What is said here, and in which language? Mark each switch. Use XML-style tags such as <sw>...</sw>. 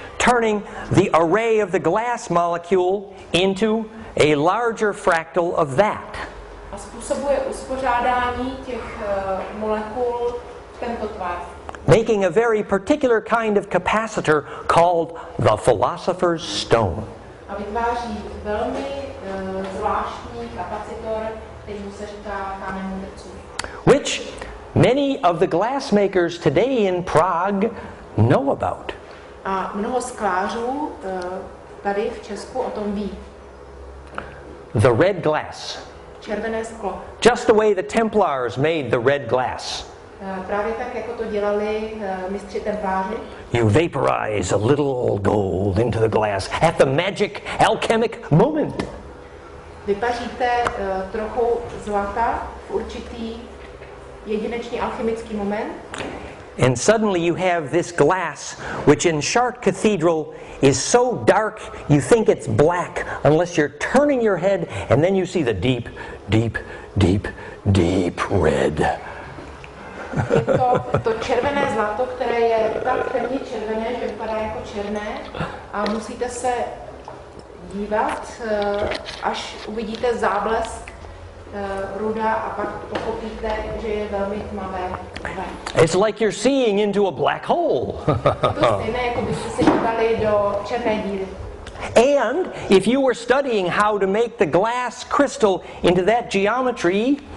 <en>Turning the array of the glass molecule into a larger fractal of that.</en> <cs>A způsobuje uspořádání těch molekul v tento tvar.</cs> <en>Making a very particular kind of capacitor called the philosopher's stone.</en> <cs>A vytváří velmi zvláštní kapacitor, který mu se říká kámen mudrců.</cs> <en>Which many of the glassmakers today in Prague know about.</en> <cs>A mnoho sklářů tady v Česku o tom ví.</cs> <en>The red glass.</en> <cs>Červené sklo.</cs> <en>Just the way the Templars made the red glass.</en> <cs>Právě tak, jako to dělali mistři templáři.</cs> <en>You vaporize a little gold into the glass at the magic alchemic moment.</en> <cs>Vypaříte trochu zlata v určitý jedinečný alchemický moment.</cs> <en>And suddenly you have this glass, which in Chartres Cathedral is so dark you think it's black unless you're turning your head and then you see the deep, deep, deep, deep red.</en> <cs>to červené zlato, které je tak temně červené, že vypadá jako černé, a musíte se dívat, až uvidíte záblesk ruda a pak pochopíte, že je velmi tmavé.</cs> <en>It's like you're seeing into a black hole.</en> <cs>To je stejné, jako byste se dívali do černé díry.</cs> <en>And if you were studying how to make the glass crystal into that geometry,</en>